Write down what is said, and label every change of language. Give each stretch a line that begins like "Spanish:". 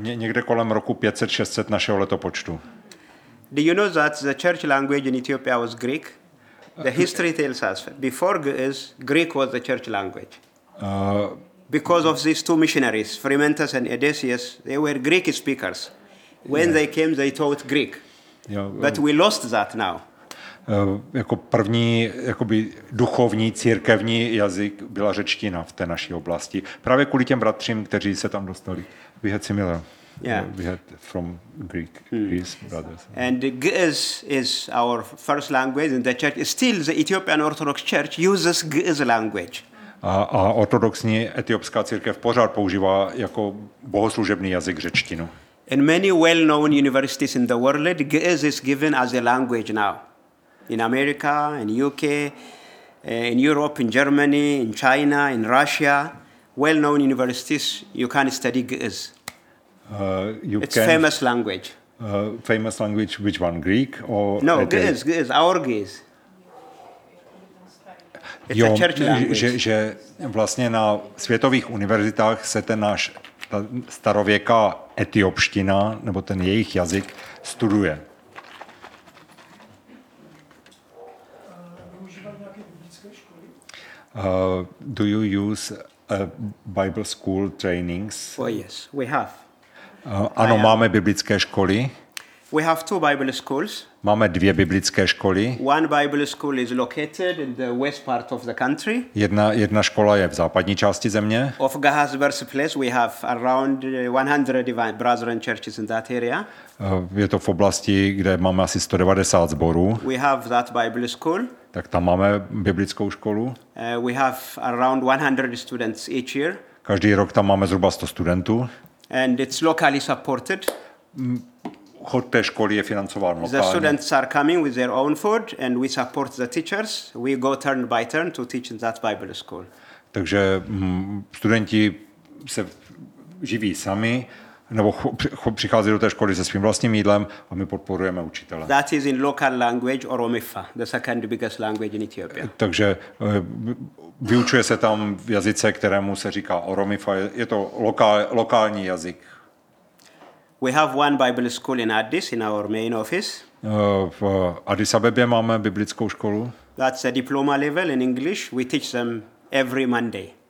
Czech: Někde kolem roku 500-600 našeho letopočtu.
English: Do you know that the church language in Ethiopia was Greek? The history tells us before this, Greek was the church language. Because of these two missionaries, Frimentus and Odysseus, they were Greek speakers. When they came, they taught Greek. But we lost that now.
Czech: Jako první jakoby duchovní církevní jazyk byla řečtina v té naší oblasti. Právě kvůli těm bratřím, kteří se tam dostali.
English: We had similar. Yeah. We had from Greek. Greece brothers. And Ge'ez is our first language in the church. Still the Ethiopian Orthodox Church uses Ge'ez language.
Czech: A ortodoxní etiopská církev pořád používá jako bohoslužebný jazyk řečtinu.
English: In many well-known universities in the world, Ge'ez is given as a language now. In America, in UK, in Europe, in Germany, in China, in Russia, well-known universities, you can study Ge'ez. Famous language. Famous language, which one, Greek or? No, Ge'ez, our Ge'ez. It's jo, a church language.
Czech: Že vlastně na světových univerzitách se ten náš starověká etiopština, nebo ten jejich jazyk, studuje.
English: Do you use Bible school trainings? Oh yes, we have.
Czech: Ano, máme biblické školy.
English: We have two Bible schools.
Czech: Máme dvě biblické školy.
English: One Bible school is located in the west part of the country.
Czech: Jedna škola je v západní části země.
English: Of Gahaz birthplace, we have around 100 brethren churches in that area.
Czech: Je to v oblasti, kde máme asi 190 sborů.
English: We have that Bible school.
Czech: Tak tam máme biblickou školu.
English: We have around 100 students each year.
Czech: Každý rok tam máme zhruba 100 studentů.
English: And it's locally supported.
Czech: Chod té školy je financován lokálně.
English: The students are coming with their own food and we support the teachers. We go turn by turn to teach in that Bible school.
Czech: Takže studenti se živí sami, nebo přichází do té školy se svým vlastním jídlem a my podporujeme učitele.
English: That is in local language Oromifa, the second biggest language in Ethiopia.
Czech: Takže vyučuje se tam v jazyce, kterému se říká Oromifa. Je to lokální jazyk.
English: We have one Bible school in Addis in our main office.
Czech: V Addis Abebě máme biblickou školu.
English: That's a diploma level in English. We teach them every Monday.